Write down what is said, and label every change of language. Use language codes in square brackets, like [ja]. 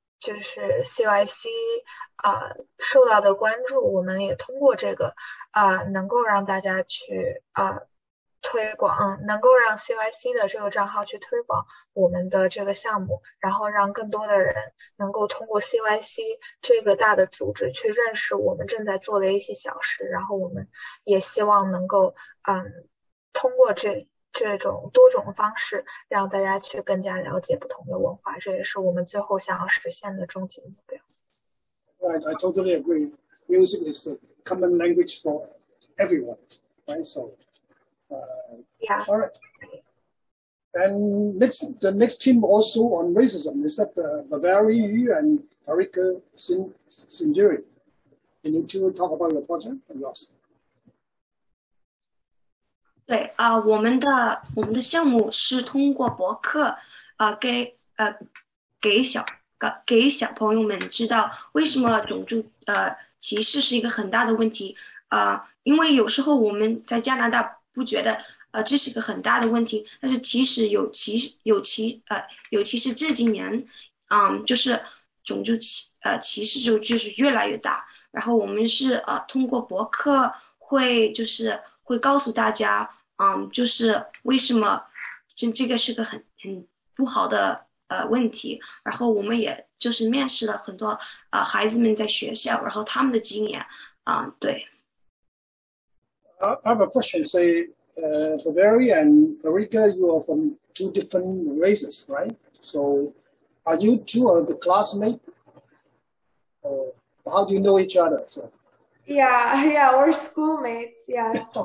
[zh] 就是 CYC 受到的关注，我们也通过这个能够让大家去推广，能够让 CYC 的这个账号去推广我们的这个项目，然后让更多的人能够通过 CYC 这个大的组织去认识我们正在做的一些小事，然后我们也希望能够通过这种多种方式，让大家去更加了解不同的文化，这也是我们最后想要实现的终极目标。 [en] I totally agree. Music is the common language for everyone, right? So, Yeah. all right. And the next team also on racism is that Barry Yu and Erica Sinjuri. Can you two talk about your project and yours? [zh] 对啊，我们的项目是通过博客给小朋友们知道为什么种族歧视是一个很大的问题因为有时候我们在加拿大不觉得这是一个很大的问题，但是其实尤其是这几年就是种族歧视就是越来越大，然后我们是通过博客会告诉大家。就是为什么这个是个很不好的问题，然后我们也就是面试了很多孩子们在学校，然后他们的经验，对。 [en] I have a question. Say, Barry and Erica, you are from two different races, right? So, are you two of the classmates? How do you know each other? So, Yeah, we're schoolmates, yes.